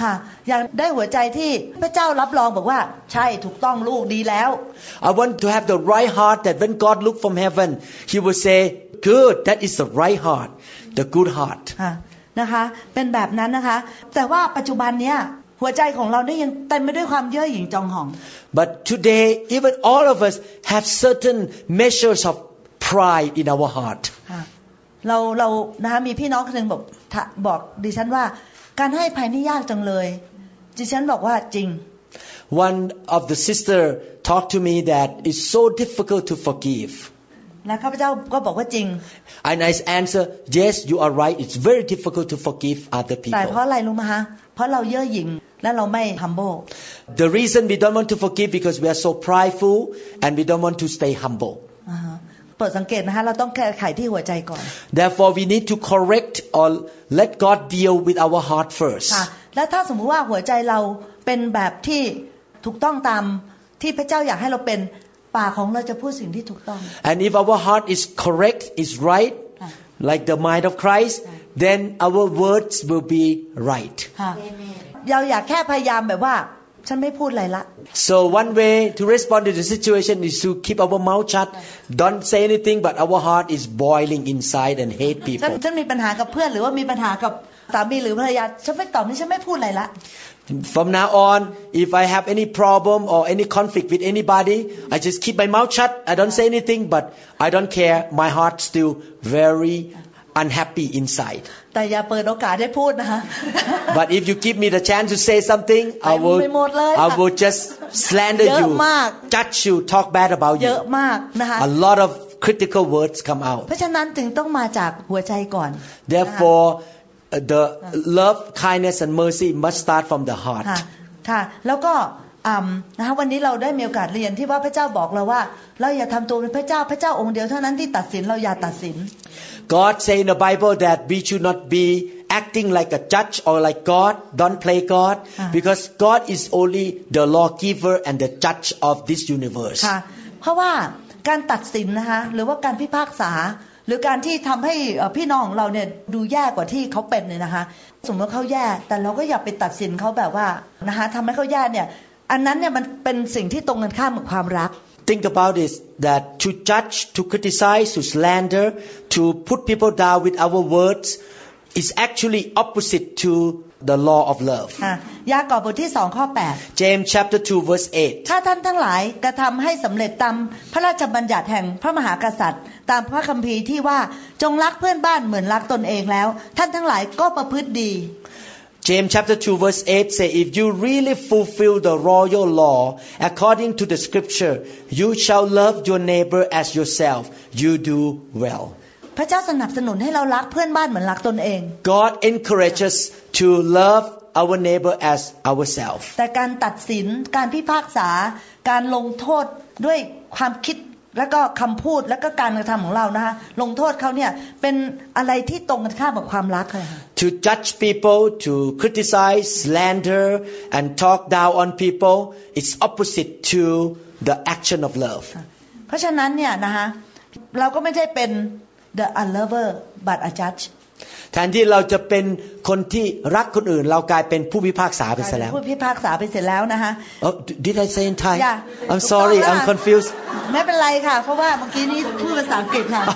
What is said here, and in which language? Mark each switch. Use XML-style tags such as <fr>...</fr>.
<th>ค่ะอยากได้หัวใจที่พระเจ้ารับรองบอกว่าใช่ถูกต้องลูกดีแล้ว</th> <en>I want to have the right heart that when God look from heaven he will say good that is the right heart the good heart</en> <th>นะคะเป็นแบบนั้นนะคะแต่ว่าปัจจุบันเนี้ยหัวใจของเราเนี่ยยังเต็มไปด้วยความเย่อหยิ่งจองหอง</th> <en>But today even all of us have certain measures of pride in our heart</en> <th>เรานะคะมีพี่น้องคนนึงบอกดิฉันว่าการให้ภัยนี่ยากจังเลยดิฉันบอกว่าจริง</th> <en>One of the sister talked to me that it's so difficult to forgive</en> <th>และข้าพเจ้าก็บอกว่าจริง</th> <en>And I answer yes you are right it's very difficult to forgive other people</en> <th>แต่เพราะอะไรรู้มั้ยฮะเพราะเราเย่อหยิ่งและเราไม่ humble</th> <en>The reason we don't want to forgive because we are so prideful and we don't want to stay humble</en> <th>เปิดสังเกตนะคะเราต้องแก้ไขที่หัวใจก่อน</th> <en>Therefore we need to correct or let God deal with our heart first</en> <th>ค่ะและถ้าสมมติว่าหัวใจเราเป็นแบบที่ถูกต้องตามที่พระเจ้าอยากให้เราเป็นปากของเราจะพูดสิ่งที่ถูกต้อง</th> <en>And if our heart is correct is right like the mind of Christ then our words will be right</en> <th>เราอยากแค่พยายามแบบว่าฉันไม่พูดอะไรละ</th> <en>so one way to respond to the situation is to keep our mouth shut don't say anything but our heart is boiling inside and hate people</en> <th>ฉันมีปัญหากับเพื่อนหรือว่ามีปัญหากับสามีหรือภรรยาฉันไม่ตอบนี่ฉันไม่พูดอะไรละ</th> <en>from now on if I have any problem or any conflict with anybody I just keep my mouth shut I don't say anything but I don't care my heart still veryunhappy inside</en> <th>แต่อย่าเปิดโอกาสให้พูดนะฮะ</th> <en>But if you give me the chance to say something I will just slander you judge you talk bad about you</en> <th>เยอะมากนะคะ</th> <en>A lot of critical words come out</en> <th>เพราะฉะนั้นถึงต้องมาจากหัวใจก่อน</th> <en>Therefore the love kindness and mercy must start from the heart</en> <th>ค่ะแล้วก็นะคะวันนี้เราได้มีโอกาสเรียนที่ว่าพระเจ้าบอกเราว่าเราอย่าทำตัวเป็นพระเจ้าองค์เดียวเท่านั้นที่ตัดสินเราอย่าตัดสิน</th> <en>God say in the Bible that we should not be acting like a judge or like God don't play God because God is only the lawgiver and the judge of this universe</en> <th>ค่ะเพราะว่าการตัดสินนะคะหรือว่าการพิพากษาหรือการที่ทำให้พี่น้องเราเนี่ยดูแย่กว่าที่เขาเป็นเลยนะคะสมมติเขาแย่แต่เราก็อย่าไปตัดสินเขาแบบว่านะคะทำให้เขาแย่เนี่ยอันนั้นเนี่ยมันเป็นสิ่งที่ตรงกันข้ามกับความรัก</th> <en>Think about this that to judge to criticize to slander to put people down with our words is actually opposite to the law of love</en> <th>ยากอบบทที่2ข้อ8</th> <en>James chapter 2 verse 8</en> <th>ถ้าท่านทั้งหลายกระทำให้สำเร็จตามพระราชบัญญัติแห่งพระมหากษัตริย์ตามพระคัมภีร์ที่ว่าจงรักเพื่อนบ้านเหมือนรักตนเองแล้วท่านทั้งหลายก็ประพฤติดี</th> <en>James chapter 2 verse 8 say if you really fulfill the royal law according to the scripture you shall love your neighbor as yourself you do well</en> <th>พระเจ้าสนับสนุนให้เรารักเพื่อนบ้านเหมือนรักตนเอง</th> <en>God encourages to love our neighbor as ourselves</en> <th>แต่การตัดสินการพิพากษาการลงโทษด้วยความคิดแล้วก็คำพูดแล้วก็การกระทำของเรานะคะลงโทษเขาเนี่ยเป็นอะไรที่ตรงกันข้ามกับความรักค่ะ</th> <en>To judge people to criticize slander and talk down on people it's opposite to the action of love</en> <th>เพราะฉะนั้นเนี่ยนะคะเราก็ไม่ใช่เป็น</th> <en>the unlover but a judge</en> <th>แทนที่เราจะเป็นคนที่รักคนอื่นเรากลายเป็นผู้พิพากษาไปซะแล้ว ผู้พิพากษาไปเสร็จแล้วนะฮะ</th> <en>Oh, did I say in Thai? Yeah. I'm sorry, I'm confused.</en> <th>ไม่เป็นไรค่ะเพราะว่าเมื่อกี้นี้พูดภาษาอังกฤษค่ะ</th>